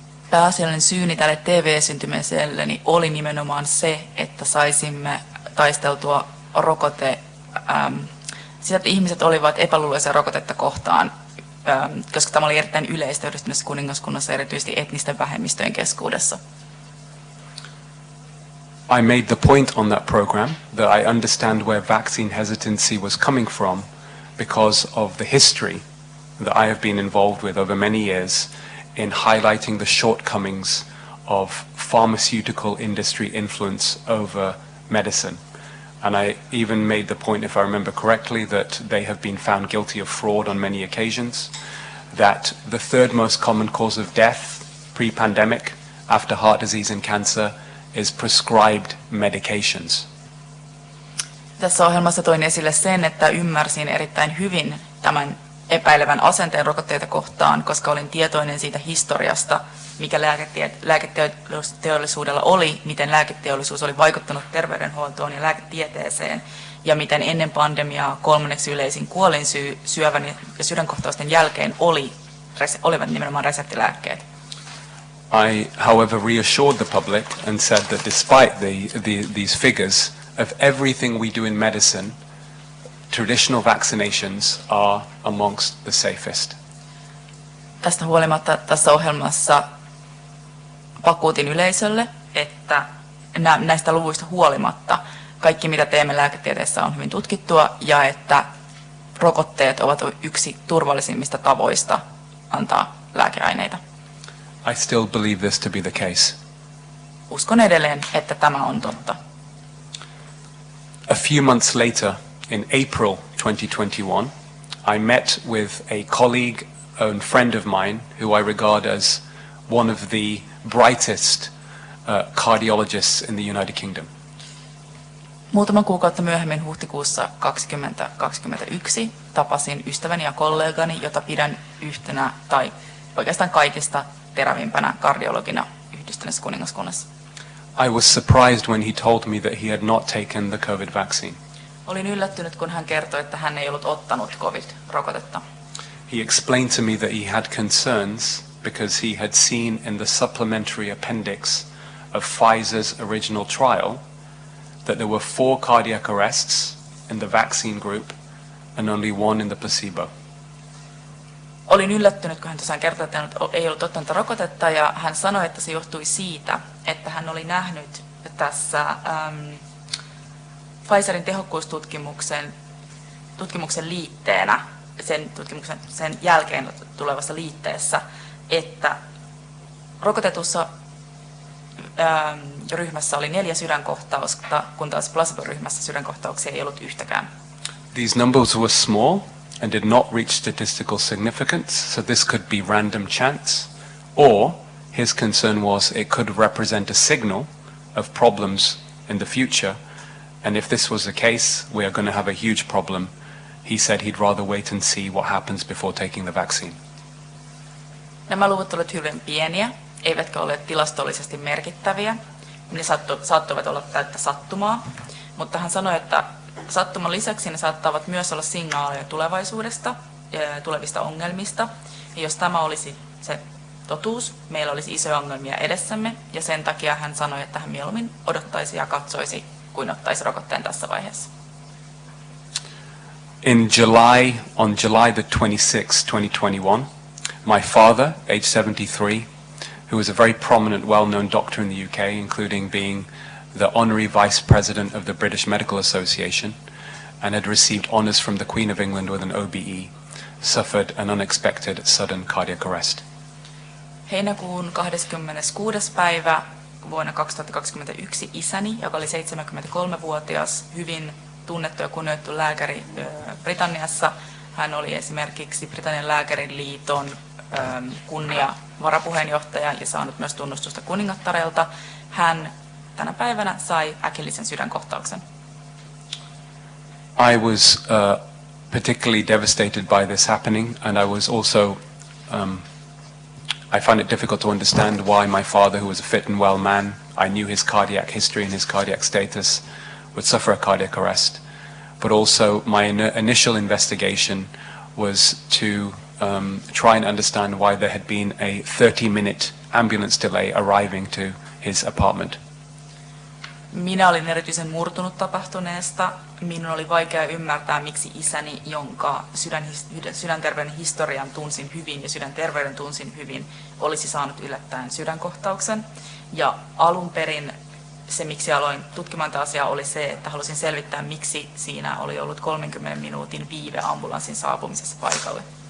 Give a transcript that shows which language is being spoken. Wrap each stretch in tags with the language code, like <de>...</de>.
<fi>Pääasiallinen syyni tälle TV-esiintymiselleni oli nimenomaan se, että saisimme taisteltua rokote, sitä, että ihmiset olivat epäluuloisia rokotetta kohtaan, koska tämä oli erittäin yleistä Yhdistyneessä kuningaskunnassa, erityisesti etnisten vähemmistöjen keskuudessa.</fi> <en>I made the point on that program that I understand where vaccine hesitancy was coming from because of the history that I have been involved with over many years in highlighting the shortcomings of pharmaceutical industry influence over medicine. And I even made the point, if I remember correctly, that they have been found guilty of fraud on many occasions, that the third most common cause of death pre-pandemic after heart disease and cancer is prescribed medications.</en> <fi>Tässä ohjelmassa toin esille sen, että ymmärsin erittäin hyvin tämän epäilevän asenteen rokotteita kohtaan, koska olin tietoinen siitä historiasta, mikä lääketeollisuudella oli, miten lääketeollisuus oli vaikuttanut terveydenhuoltoon ja lääketieteeseen, ja miten ennen pandemiaa kolmanneksi yleisin kuolinsyy syövän ja sydänkohtausten jälkeen olivat nimenomaan reseptilääkkeet.</fi> <en>I, however, reassured the public and said that despite these figures, of everything we do in medicine, traditional vaccinations are amongst the safest.</en> <fi>Tästä huolimatta tässä ohjelmassa vakuutin yleisölle, että näistä luvuista huolimatta kaikki mitä teemme lääketieteessä on hyvin tutkittua ja että rokotteet ovat yksi turvallisimmista tavoista antaa lääkeaineita.</fi> <en>I still believe this to be the case.</en> <fi>Uskon edelleen, että tämä on totta.</fi> <en>A few months later, in April 2021, I met with a colleague and friend of mine who I regard as one of the brightest cardiologists in the United Kingdom.</en> <fi>Muutama kuukautta myöhemmin huhtikuussa 2021 tapasin ystäväni ja kollegani, jota pidän yhtenä tai oikeastaan kaikista terävimpänä kardiologina Yhdistyneessä kuningaskunnassa.</fi> <en>I was surprised when he told me that he had not taken the COVID vaccine.</en> <fi>Olin yllättynyt, kun hän kertoi, että hän ei ollut ottanut COVID-rokotetta.</fi> <en>He explained to me that he had concerns because he had seen in the supplementary appendix of Pfizer's original trial that there were 4 cardiac arrests in the vaccine group and only 1 in the placebo.</en> <fi>Olin yllättynyt, kun hän tosiaan kertoi, että hän ei ollut ottanut rokotetta, ja hän sanoi, että se johtui siitä, että hän oli nähnyt tässä Pfizerin tehokkuustutkimuksen liitteenä, sen jälkeen tulevassa liitteessä, että rokotetussa ryhmässä oli 4 sydänkohtausta, kun taas placebo-ryhmässä sydänkohtauksia ei ollut yhtäkään.</fi> <en>These numbers were small and did not reach statistical significance, so this could be random chance, or his concern was it could represent a signal of problems in the future, And if this was the case, we are going to have a huge problem. He said he'd rather wait and see what happens before taking the vaccine.</en> <fi>Nämä luvut ovat hyvin pieniä, eivätkä ole tilastollisesti merkittäviä. Ne saattavat olla täyttä sattumaa, mutta hän sanoi, että sattuman lisäksi ne saattavat myös olla signaaleja tulevaisuudesta ja tulevista ongelmista. Ja jos tämä olisi se totuus, meillä olisi isoja ongelmia edessämme, ja sen takia hän sanoi, että hän mieluummin odottaisi ja katsoisi, kuin ottaisi rokotteen tässä vaiheessa.</fi> <en>In July, on July the 26th, 2021, my father, age 73, who was a very prominent, well-known doctor in the UK, including being the honorary vice president of the British Medical Association, and had received honors from the Queen of England with an OBE, suffered an unexpected sudden cardiac arrest.</en> <fi>Heinäkuun 26. päivä vuonna 2021 isäni, joka oli 73-vuotias, hyvin tunnettu ja kunnioittu lääkäri Britanniassa. Hän oli esimerkiksi Britannian lääkäriliiton kunnia varapuheenjohtaja ja saanut myös tunnustusta kuningattarelta. Hän tänä päivänä sai äkillisen sydänkohtauksen.</fi> <en>I was particularly devastated by this happening, and I was also I find it difficult to understand why my father, who was a fit and well man, I knew his cardiac history and his cardiac status, would suffer a cardiac arrest. But also my initial investigation was to try and understand why there had been a 30-minute ambulance delay arriving to his apartment.</en> <fi>Minä olin erityisen murtunut tapahtuneesta. Minun oli vaikea ymmärtää, miksi isäni, jonka sydänterveyden historian tunsin hyvin ja sydänterveyden tunsin hyvin, olisi saanut yllättäen sydänkohtauksen. Ja alun perin se, miksi aloin tutkimaan tätä asiaa, oli se, että halusin selvittää, miksi siinä oli ollut 30 minuutin viive ambulanssin saapumisessa paikalle.</fi>